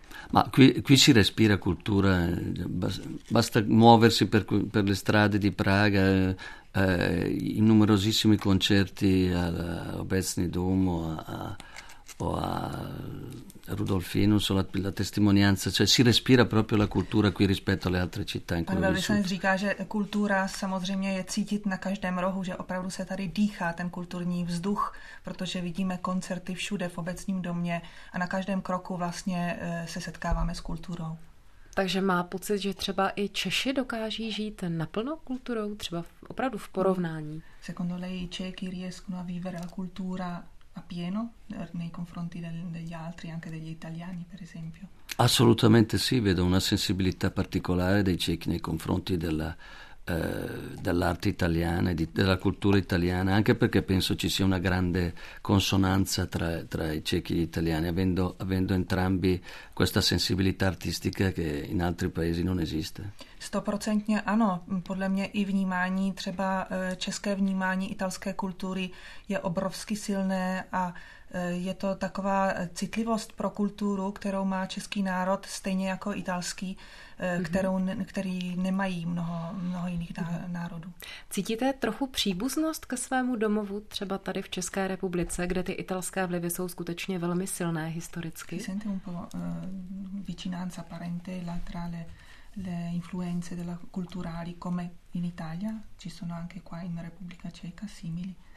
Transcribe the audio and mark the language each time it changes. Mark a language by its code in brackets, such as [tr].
[it] Ma qui si respira cultura, basta muoversi per le strade di Praga, in numerosissimi concerti all'Obecny Dom o a Rudolfino, sono la testimonianza, cioè si respira proprio la cultura qui rispetto alle altre città in cui ho vissuto. [cs] Pan říká, že kultura samozřejmě je cítit na každém rohu, že opravdu se tady dýchá ten kulturní vzduch, protože vidíme koncerty všude v Obecním domě a na každém kroku vlastně se setkáváme s kulturou. Takže má pocit, že třeba i Češi dokáží žít naplno kulturou, třeba opravdu v porovnání. [it] Secondo lei, Čechi riescono a vivere la cultura a pieno nei confronti degli altri, anche degli italiani, per esempio? Assolutamente sì, vedo una sensibilità particolare dei cechi nei confronti dell'arte italiana e della cultura italiana, anche perché penso ci sia una grande consonanza tra i cechi e gli italiani, avendo entrambi questa sensibilità artistica che in altri paesi non esiste. [cs] 100% ano, podle mě i vnímání, třeba české vnímání italské kultury je obrovsky silné a je to taková citlivost pro kulturu, kterou má český národ stejně jako italský, který nemají mnoho jiných národů. Cítíte trochu příbuznost ke svému domovu, třeba tady v České republice, kde ty italské vlivy jsou skutečně velmi silné historicky? [it] Sente un po' vicinanza parente tra le influenze della culturali come in Italia, ci sono anche qua in Repubblica Ceca simili.